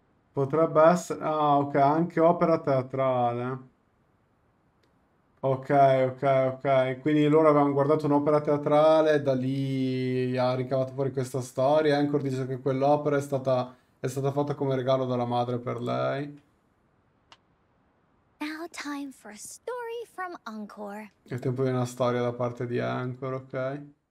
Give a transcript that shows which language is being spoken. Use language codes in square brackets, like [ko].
[it] Potrebbe essere. Ah, ok, anche opera teatrale. Ok. Quindi loro avevano guardato un'opera teatrale, da lì ha ricavato fuori questa storia. Anchor dice che quell'opera è stata fatta come regalo dalla madre per lei. È [en] Now time for a story from Encore. [it] tempo di una storia da parte di Anchor, ok.